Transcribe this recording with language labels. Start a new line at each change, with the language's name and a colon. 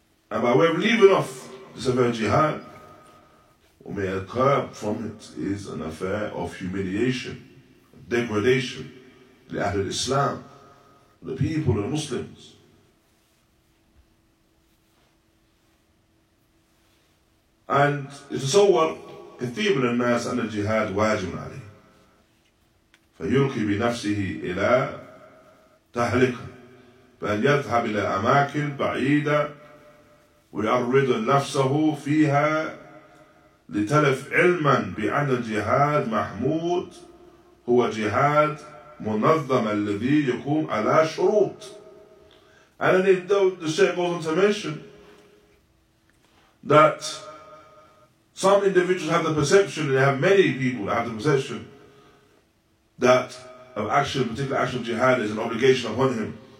English: And by way of leaving off this affair of jihad, what may occur from it is an affair of humiliation, degradation, the Ahl al-Islam, the people, the Muslims. And it's a sawar,
Arabic: كثير من الناس أن الجهاد واجب عليه فيلقي بنفسه إلى تهلكة بأن يذهب إلى أماكن بعيدة ويعرض نفسه فيها لتلف علما بأن الجهاد محمود هو جهاد منظم الذي يقوم على شروط.
English: And then the Shaykh goes on to mention that some individuals have the perception, and they have many people that have the perception, that of action, particular action of jihad is an obligation upon him.